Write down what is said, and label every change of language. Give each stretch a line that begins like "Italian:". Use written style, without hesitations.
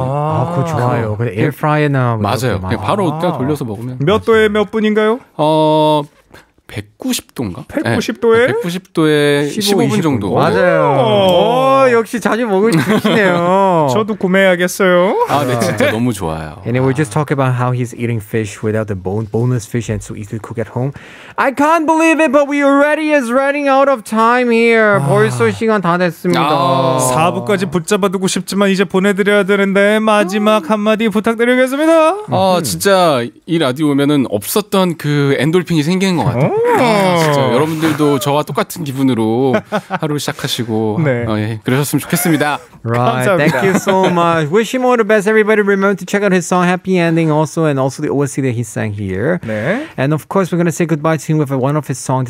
Korean: 아, 아 그거 좋아요. 그 에어프라이어나 맞아요. 그냥 바로 아. 돌려서 먹으면 몇 도에 몇 분인가요? 어. 190도인가? 190도에? 네, 190도에 15분 정도. 맞아요. 오, 역시 자주 먹을 수 있네요. 저도 구매해야겠어요. 아, 네, 진짜 너무 좋아요.
English: And we just talked about how he's eating fish without the bone, boneless fish and so easily cook at home. I can't believe it, but we already is running out of time here.
Korean: 벌써 시간 다 됐습니다. 아, 4부까지 붙잡아두고 싶지만 이제 보내드려야 되는데 마지막 한마디 부탁드리겠습니다. 아, 진짜 이 라디오 오면은 없었던 그 엔돌핀이 생기는 것 같아요. 아, 진짜 여러분들도 저와 똑같은 기분으로 하루를 시작하시고 네. 어, 예, 그러셨으면 좋겠습니다.
English: Right, thank you so much. Wish him all the best. Everybody, remember to check out his song "Happy Ending" also, and also the OST that he sang here.
Korean: 네.
English: And of course, we're gonna say goodbye to him with one of his songs.